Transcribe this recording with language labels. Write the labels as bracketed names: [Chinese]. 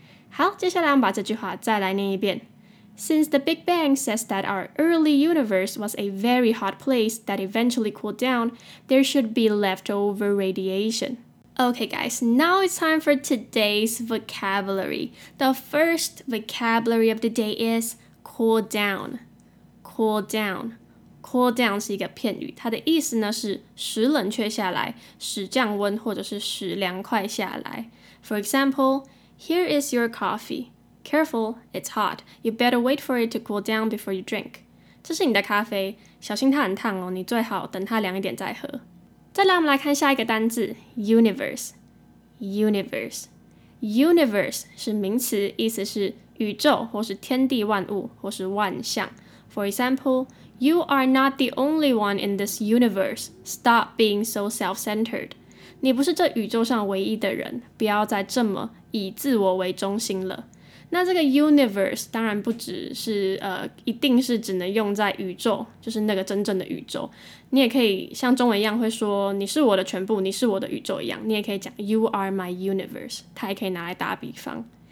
[Chinese] 好，接下来我们把这句话再来念一遍。 [English] Since the Big Bang says that our early universe was a very hot place that eventually cooled down, there should be leftover radiation. Okay guys, now it's time for today's vocabulary. The first vocabulary of the day is cool down. [Chinese] Cool down. Cool down 是一个片语，它的意思呢是使冷却下来，使降温，或者是使凉快下来。 [English] For example,Here is your coffee. Careful, it's hot. You better wait for it to cool down before you drink. [Chinese] 这是你的咖啡，小心它很烫哦，你最好等它凉一点再喝。再来，我们来看下一个单字 ，universe。 Universe 是名词，意思是宇宙或是天地万物或是万象。 [English] For example, you are not the only one in this universe. Stop being so self-centered. [Chinese] 你不是这宇宙上唯一的人，不要再这么以自我为中心了。那这个 universe 当然不只是一定是只能用在宇宙，就是那个真正的宇宙。你也可以像中文一样会说你是我的全部，你是我的宇宙一样，你也可以讲 [English] you are my universe， [Chinese] 它也可以拿来打比方。